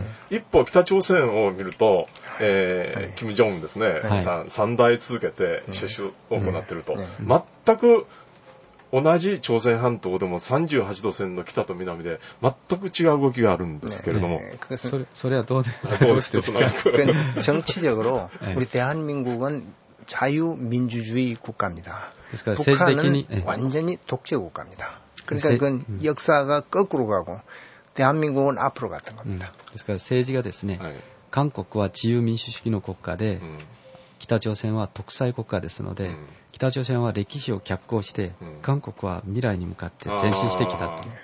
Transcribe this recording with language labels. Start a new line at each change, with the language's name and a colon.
Japanese: 一方、北朝鮮を見ると、キム・ジョンウンですね、はい、3代続けて接種を行っていると。全く同じ朝鮮半島でも38度線の北と南で全く違う動きがあるんですけれども、ね、それはどうで、どうしてですか。
Korean: 정치적으로우리대한민국은자유민주주의국가입니다。
Japanese: ですから政治的に完全に独自国家입니다。
Korean: 그러니까그건역사가거꾸로가고대한민국은앞으로갔던겁니다。
Japanese: ですから政治がですね、韓国は自由民主主義の国家で、北朝鮮は独裁国家ですので、北朝鮮は歴史を逆行して、韓国は未来に向かって前進してきたと。